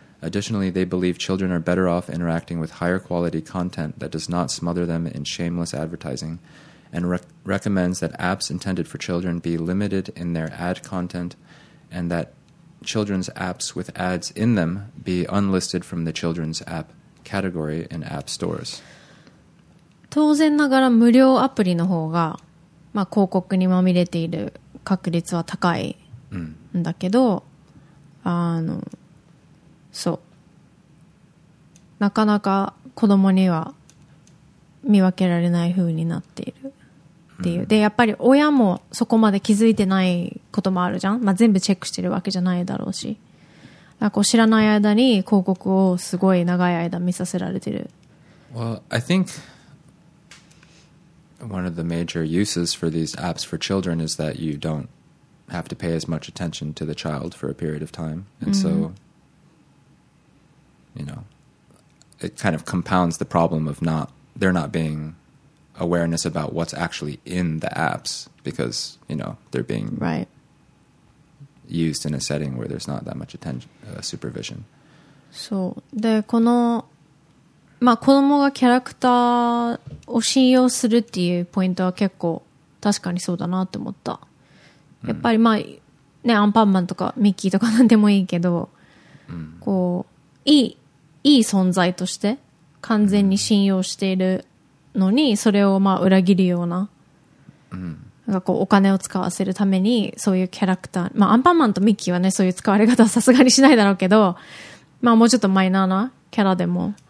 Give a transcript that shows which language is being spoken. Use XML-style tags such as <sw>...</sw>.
<en>Additionally, they believe children are better off interacting with higher quality content that does not smother them in shameless advertising, and recommends that apps intended for children be limited in their ad content and that children's apps with ads in them be unlisted from the children's app category in app stores.</en> <ja>当然ながら無料アプリの方が、まあ、広告にまみれている確率は高いんだけど、うん、あのそうなかなか子供には見分けられない風になっているっていう。でやっぱり親もそこまで気づいてないこともあるじゃん、まあ、全部チェックしてるわけじゃないだろうし、なんか知らない間に広告をすごい長い間見させられてる。</ja> <en>Well, I think one of the major uses for these apps for children is that you don't have to pay as much attention to the child for a period of time. And so, you know, it kind of compounds the problem of not, they're not beingawareness about what's actually in the apps because, you know, they're being right used in a setting where there's not that much attention, supervision.</en> <ja>そう。で、この、まあ、子供がキャラクターを信用するっていうポイントは結構確かにそうだなって思った。やっぱりまあ、ね、アンパンマンとかミッキーとかなんでもいいけど、こう、いい存在として完全に信用しているのにそれをまあ裏切るよう な, なんかこうお金を使わせるためにそういうキャラクター、まあ、アンパンマンとミッキーはねそういう使われ方はさすがにしないだろうけど、まあ、もうちょっとマイナーなキャラでも、</ja>